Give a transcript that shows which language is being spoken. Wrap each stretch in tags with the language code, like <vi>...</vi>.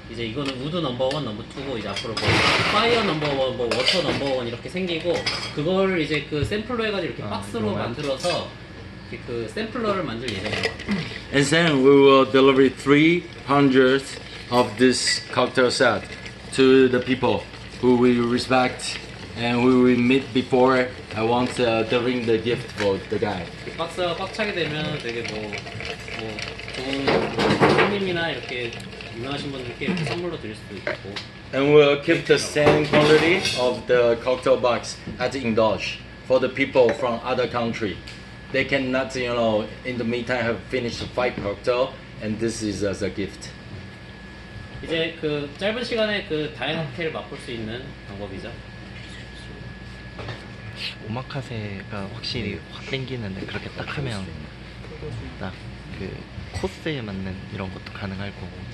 <ko>이제 이거는 wood number 1, number 2고 이제 앞으로 뭐 fire number 1, 뭐 water number 1 이렇게 생기고 그거를 이제 그 샘플러 해가지고 이렇게 박스로 만들어서 그 샘플러를 만들 예정이에요.</ko> <en>And then we will deliver 300 of this cocktail set to the people who we respect and who we meet before. I want delivering the gift for the guy.</en> <ko>박스가 꽉 차게 되면 되게 뭐 좋은 손님이나 이렇게 유명하신 분들께 이렇게 선물로 드릴 수도 있고.</ko> <en>And we'll keep the same quality of the cocktail box at Indulge for the people from other country. They cannot, you know, in the meantime have finished five cocktail, and this is as a gift.</en> <ko>이제 그 짧은 시간에 그 다양한 칵테일을 맛볼 수 있는 방법이죠. 오마카세가 확실히 확 땡기는데 그렇게 딱 하면 딱 그 코스에 맞는 이런 것도 가능할 거고.</ko>